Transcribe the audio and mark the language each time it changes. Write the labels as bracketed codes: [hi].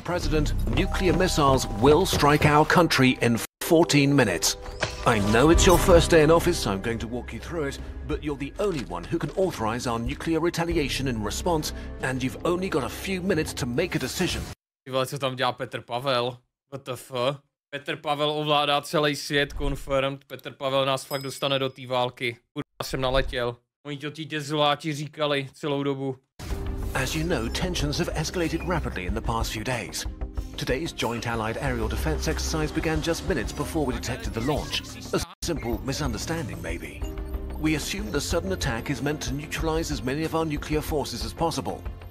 [en] President, nuclear missiles will strike our country in 14 minutes. I know it's your first day in office, so I'm going to walk you through it, but you're the only one who can authorize our nuclear retaliation in response, and you've only got a few minutes to make a decision. [cs] Ty vole, co tam dělá Petr Pavel? [en] What the fuck? [cs] Petr Pavel ovládá celý svět, confirmed. Petr Pavel nás fakt dostane do té války. Kurva jsem naletěl. Oni to ti dezoláti říkali celou dobu. [en] As you know, tensions have escalated rapidly in the past few days. Today's joint allied aerial defense exercise began just minutes before we detected the launch. A simple misunderstanding, maybe. We assume the sudden attack is meant to neutralize as many of our nuclear forces as possible.